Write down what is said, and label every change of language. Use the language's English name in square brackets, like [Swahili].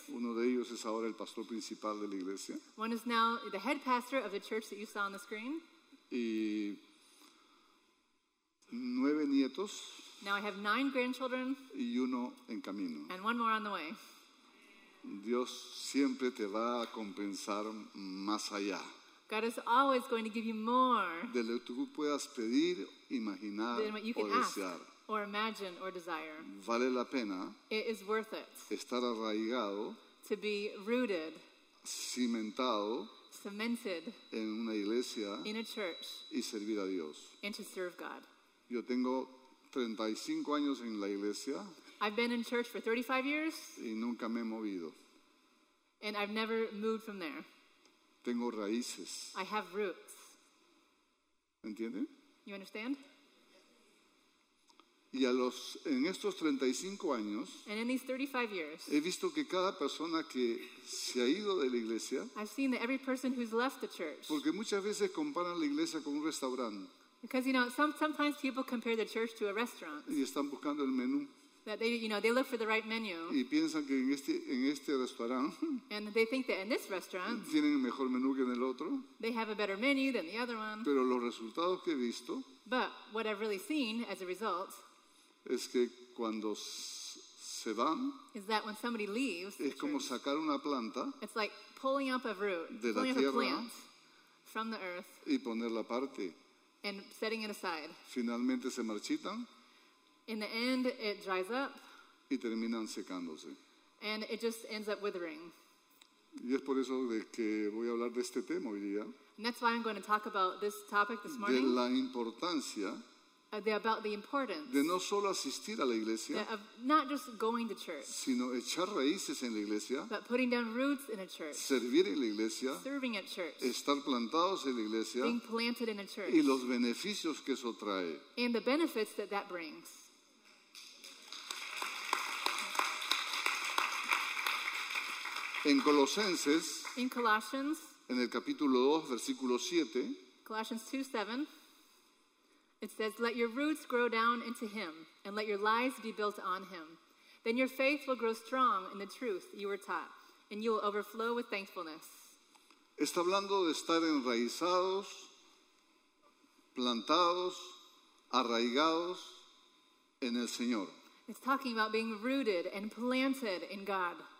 [Spanish] Uno de ellos es ahora el pastor principal de la iglesia. [English] One is now the head pastor of the church that you saw on the screen. [Spanish] Y nueve nietos. [English] Now I have nine grandchildren. [Spanish] Y uno en camino. [English] And one more on the way. [Spanish] Dios siempre te va a compensar más allá. [English] God is always going to give you more. [Spanish] De lo que tú puedas pedir, imaginar o desear. [English] Or imagine or desire. [Spanish] Vale la pena. [English] It is worth it. [Spanish] Estar arraigado. [English] To be rooted. [Spanish] Cimentado. [English] Cemented. [Spanish] En una iglesia. [English] In a church. [Spanish] Y servir a Dios. [English] And to serve God. [Spanish] Yo tengo 35 años en la iglesia. [English] I've been in church for 35 years. [Spanish] Y nunca me he movido. [English] And I've never moved from there. [Spanish] Tengo raíces. [English] I have roots. [Spanish] ¿Entienden? [English] You understand? [Spanish] Y a los en estos 35 años, [English] and in these 35 years, [Spanish] he visto que cada persona que se ha ido de la iglesia, [English] I've seen that every person who's left the church, [Spanish] porque muchas veces comparan la iglesia con un restaurante. [English] Because, you know, sometimes people compare the church to a restaurant. [Spanish] Y están buscando el menú. [English] That they, you know, they look for the right menu. [Spanish] Y piensan que en este restaurant, [English] and they think that in this restaurant, [Spanish] tienen mejor menú que en el otro. [English] They have a better menu than the other one. [Spanish] Pero los resultados que he visto, [English] but what I've really seen as a result, [Spanish] es que cuando se van, [English] is that when somebody leaves, [Spanish] es como sacar una planta, [English] it's like pulling up a root, [Spanish] de la tierra, [English] pulling up a plant from the earth, [Spanish] y ponerla aparte. [English] And setting it aside. [Spanish] Finalmente se marchitan. [English] In the end, it dries up. [Spanish] Y terminan secándose. [English] And it just ends up withering. [Spanish] Y es por eso de que voy a hablar de este tema hoy día. [English] And that's why I'm going to talk about this topic this morning. [Spanish] De la importancia. [English] About the importance. [Spanish] De no solo asistir a la iglesia. [English] Of not just going to church. [Spanish] Sino echar raíces en la iglesia. [English] But putting down roots in a church. [Spanish] Servir en la iglesia. [English] Serving at church. [Spanish] Estar plantados en la iglesia. [English] Being planted in a church. [Spanish] Y los beneficios que eso trae. [English] And the benefits that that brings. [Spanish] En Colosenses. [English] In Colossians. [Spanish] En el capítulo 2, versículo 7. [English] Colossians 2, 7. It says, let your roots grow down into him, and let your lives be built on him. Then your faith will grow strong in the truth you were taught, and you will overflow with thankfulness. [Spanish] Está hablando de estar enraizados, plantados, arraigados en el Señor. [English] It's talking about being rooted and planted in God.